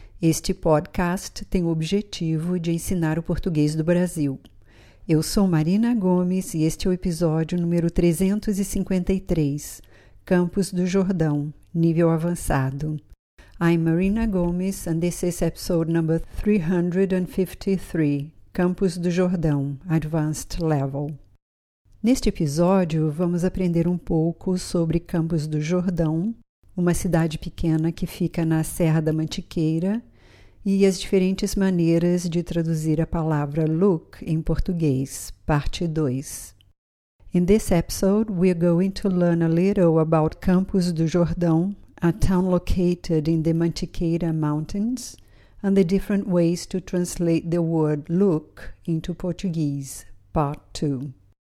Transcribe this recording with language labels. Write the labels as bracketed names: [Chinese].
[Portuguese] Este podcast tem o objetivo de ensinar o português do Brasil. Eu sou Marina Gomes e este é o episódio número 353, Campos do Jordão, nível avançado. [English] I'm Marina Gomes and this is episode number 353, Campos do Jordão, Advanced Level. [Portuguese] Neste episódio, vamos aprender um pouco sobre Campos do Jordão, uma cidade pequena que fica na Serra da Mantiqueira, e as diferentes maneiras de traduzir a palavra look em português, parte 2. [English] In this episode, we are going to learn a little about Campos do Jordão, a town located in the Mantiqueira Mountains, and the different ways to translate the word look into Portuguese, part 2.